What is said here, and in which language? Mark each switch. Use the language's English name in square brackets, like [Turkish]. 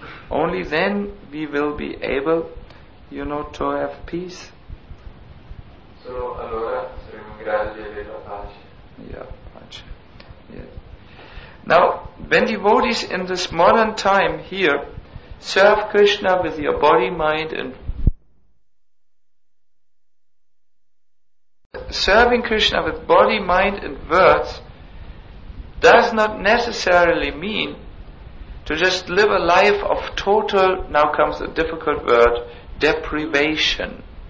[English] Only then we will be able, you know, to have peace. [Italian] Solo allora saremo in grado di avere la pace. [English] Yeah, pace. Yeah. Now, when devotees in this modern time here serve Krishna with your body, mind and serving Krishna with body, mind and words does not necessarily mean to just live a life of total, now comes a difficult word, deprivation.